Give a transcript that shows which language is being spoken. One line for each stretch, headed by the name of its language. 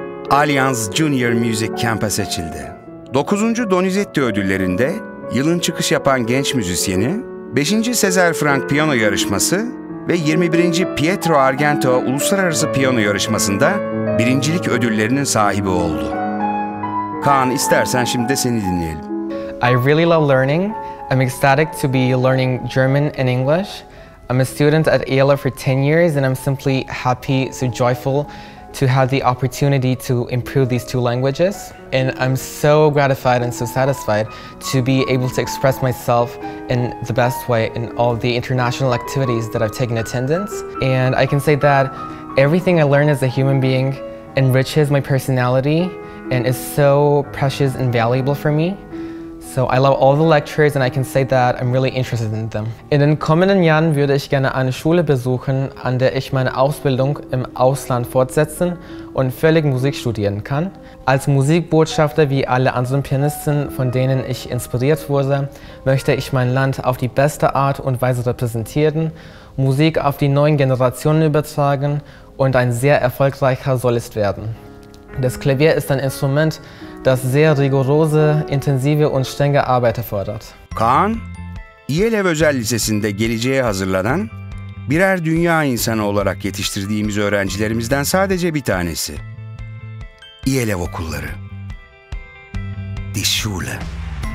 Turkish: Allianz Junior Music Camp'a seçildi. 9. Donizetti ödüllerinde yılın çıkış yapan genç müzisyeni, 5. Sezer Frank Piyano Yarışması ve 21. Pietro Argento Uluslararası Piyano Yarışması'nda birincilik ödüllerinin sahibi oldu. Kaan, istersen şimdi de seni dinleyelim.
English: I really love learning. I'm ecstatic to be learning German and English. I'm a student at ELA for 10 years and I'm simply happy, so joyful to have the opportunity to improve these two languages. And I'm so gratified and so satisfied to be able to express myself in the best way in all the international activities that I've taken attendance. And I can say that everything I learn as a human being enriches my personality and is so precious and valuable for me. So I love all the lectures and I can say that I'm really interested in them.
German: In den kommenden Jahren würde ich gerne eine Schule besuchen, an der ich meine Ausbildung im Ausland fortsetzen und völlig Musik studieren kann. Als Musikbotschafter wie alle anderen Pianisten, von denen ich inspiriert wurde, möchte ich mein Land auf die beste Art und Weise repräsentieren, Musik auf die neuen Generationen übertragen und ein sehr erfolgreicher Solist werden. Das Klavier ist ein Instrument, das sehr rigorose, intensive und strenge Arbeit erfordert.
Turkish: Kaan, İELEV Özel Lisesi'nde geleceğe hazırlanan, birer dünya insanı olarak yetiştirdiğimiz öğrencilerimizden sadece bir tanesi. İELEV Okulları.
German: Die Schule.